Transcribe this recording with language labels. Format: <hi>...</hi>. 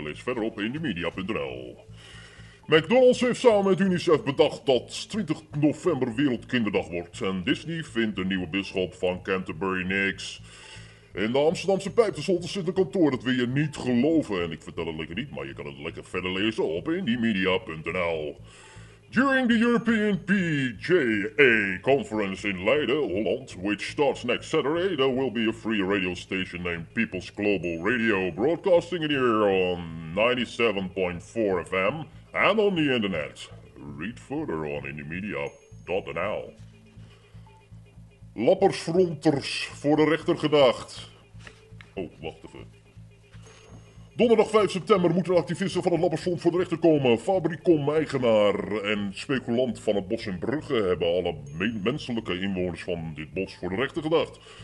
<nl>Lees verderop in indiemedia.nl. McDonald's heeft samen met UNICEF bedacht dat 20 november Wereldkinderdag wordt. En Disney vindt de nieuwe bisschop van Canterbury niks. In de Amsterdamse Pijpenzolder zit een kantoor, dat wil je niet geloven. En ik vertel het lekker niet, maar je kan het lekker verder lezen op indiemedia.nl.</nl> <en>During the European PJA conference in Leiden, Holland, which starts next Saturday, there will be a free radio station named People's Global Radio, broadcasting in the air on 97.4 FM and on the internet. Read further on indiemedia.nl.</en> <nl>Lappersfronters voor de rechter gedaagd. Oh, wacht even. Donderdag 5 september moeten activisten van het Lappersfront voor de rechter komen. Fabricom-eigenaar en speculant van het bos in Brugge hebben alle menselijke inwoners van dit bos voor de rechter gedaagd.</nl>